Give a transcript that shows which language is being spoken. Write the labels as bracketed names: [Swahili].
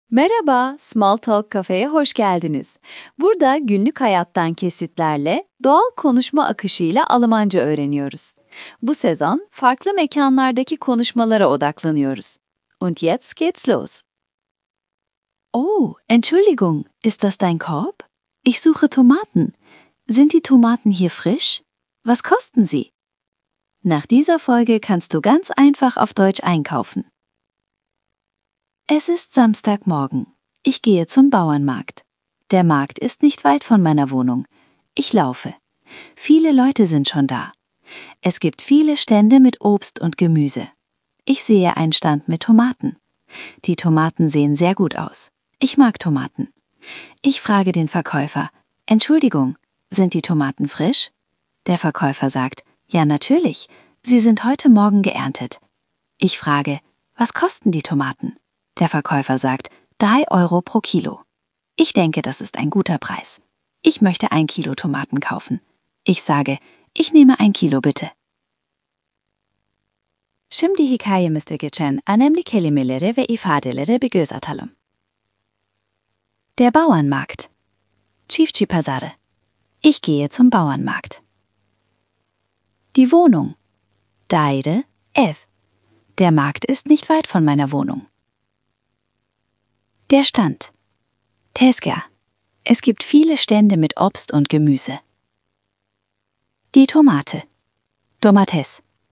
[Turkish] Merhaba, Small Talk Cafe'ye hoş geldiniz. Burada günlük hayattan kesitlerle, doğal konuşma akışıyla Almanca öğreniyoruz. Bu sezon, farklı mekanlardaki konuşmalara odaklanıyoruz. [German] Und jetzt geht's los. Oh, Entschuldigung, ist das dein Korb? Ich suche Tomaten. Sind die Tomaten hier frisch? Was kosten sie? Nach dieser Folge kannst du ganz einfach auf Deutsch einkaufen. Es ist Samstagmorgen. Ich gehe zum Bauernmarkt. Der Markt ist nicht weit von meiner Wohnung. Ich laufe. Viele Leute sind schon da. Es gibt viele Stände mit Obst und Gemüse. Ich sehe einen Stand mit Tomaten. Die Tomaten sehen sehr gut aus. Ich mag Tomaten. Ich frage den Verkäufer, Entschuldigung, sind die Tomaten frisch? Der Verkäufer sagt, ja, natürlich. Sie sind heute Morgen geerntet. Ich frage, was kosten die Tomaten? Der Verkäufer sagt, 3 € pro Kilo. Ich denke, das ist ein guter Preis. Ich möchte 1 Kilo Tomaten kaufen. Ich sage, ich nehme 1 Kilo bitte. [Turkish] Şimdi hikayemizde geçen önemli kelimeleri ve ifadeleri bir göz atalım. [German] Der Bauernmarkt. [Turkish] Çiftçi pazarı. [German] Ich gehe zum Bauernmarkt. Die Wohnung. [Turkish] Daire, ev. [German] Der Markt ist nicht weit von meiner Wohnung. Der Stand. Tezgah. Es gibt viele Stände mit Obst und Gemüse. Die Tomate. Domates.